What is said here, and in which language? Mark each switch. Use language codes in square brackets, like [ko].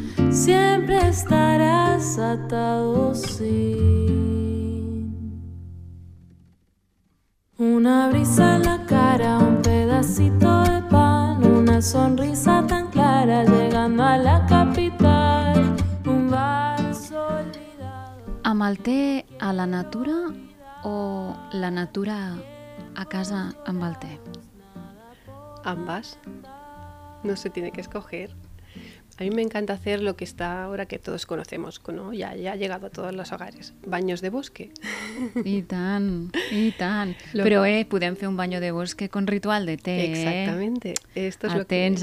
[es] Siempre estarás atado sin una brisa en la cara, un pedacito de pan, una sonrisa tan clara llegando a la capital, un vaso olvidado. [ca] Amb el té a la natura o la natura a casa amb el té? [es] Ambas. No se tiene que escoger. A mí me encanta hacer lo que está ahora que todos conocemos, ¿no? Ya ha llegado a todos los hogares. Baños de bosque. [ca] I tant, i tant. Però podem fer [es] un baño de bosque con ritual de té. Exactamente. Esto es [ca] atents,